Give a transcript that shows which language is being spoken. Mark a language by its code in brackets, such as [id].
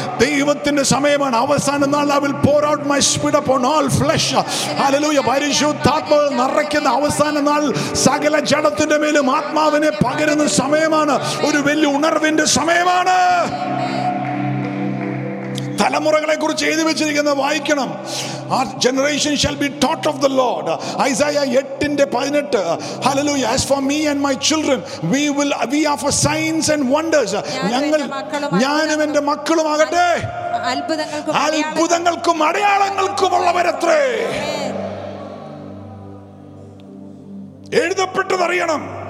[ml] ദൈവത്തിൻ്റെ സമയമാണ്, അവസാന നാൾ. [en] Will pour out my spirit upon all flesh. [ml] Hallelujah. പരിശുദ്ധാത്മാവ് നിറയ്ക്കുന്ന അവസാന നാൾ, സകല ജഡത്തിന്റെ മേലും ആത്മാവിനെ പകരുന്ന സമയമാണ്, ഒരു വലിയ ഉണർവിന്റെ സമയമാണ്. തലമുറകളെ കുറിച്ച് എഴുതി വെച്ചിരിക്കുന്ന വായിക്കണം. [en] Our generation shall be taught of the Lord. Isaiah 8:18. Hallelujah. As for me and my children, we are for signs and wonders. [ml] ഞാനും എൻ്റെ മക്കളും ആകട്ടെ അത്ഭുതങ്ങൾക്കും അടയാളങ്ങൾക്കും ഉള്ളവരത്രേ. എഴുതപ്പെട്ടതറിയണം.